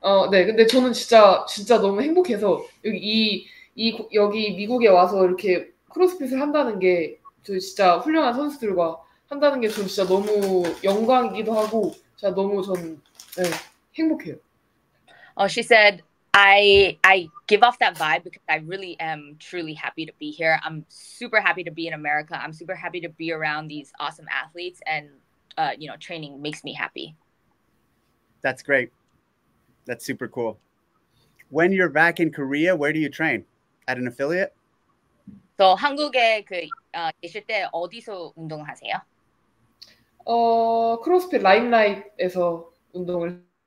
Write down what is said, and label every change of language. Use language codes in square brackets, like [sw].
[ko] 네. 근데 저는 진짜 너무 행복해서 여기 미국에 와서 이렇게 크로스핏을 한다는 게 저 진짜 훌륭한 선수들과 한다는 게 저 진짜 너무 영광이기도 하고 진짜 너무 전 네, 행복해요. [en] She said I give off that vibe because I really am truly happy to be here. I'm super happy to be in America. I'm super happy to be around these awesome athletes and you know, training makes me happy. That's great. That's super cool. When you're back in Korea, where do you train? At an affiliate? [ko] So 한국에 그 계실 때 어디서 운동하세요? 크로스핏 라임라이트에서 운동을